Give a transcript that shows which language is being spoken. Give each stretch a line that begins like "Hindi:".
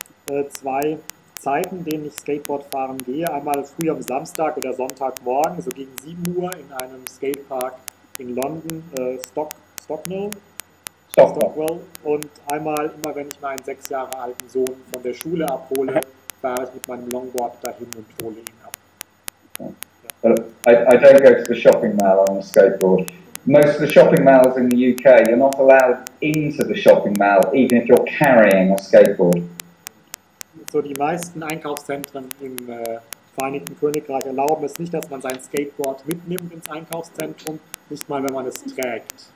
German: Ich habe zwei Zeiten, denen ich Skateboard fahren gehe. Einmal früh am Samstag oder Sonntagmorgen, so gegen 7 Uhr in einem Skatepark in London, Stocknell. Stockwell. Und einmal, immer wenn ich meinen 6 Jahre alten Sohn von der Schule abhole, fahre ich mit meinem Longboard dahin und hole ihn ab.
English: I don't go to the shopping mall on a skateboard. Most of the shopping malls in the UK, you're not allowed into the shopping mall, even if you're carrying a skateboard.
German: So die meisten Einkaufszentren im Vereinigten Königreich erlauben es nicht, dass man sein Skateboard mitnimmt ins Einkaufszentrum, nicht mal wenn man es trägt.